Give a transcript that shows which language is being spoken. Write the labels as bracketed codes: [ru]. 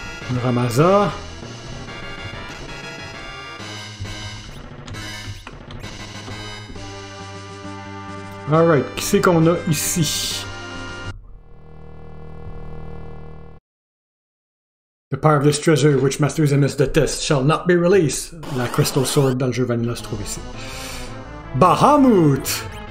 [fr] Une Ramaza. Alright, qui c'est qu'on a ici? [en] The power of this treasure, which Master Zemus detests, shall not be released. [fr] La Crystal Sword dans le jeu Vanilla se trouve ici. Bahamut!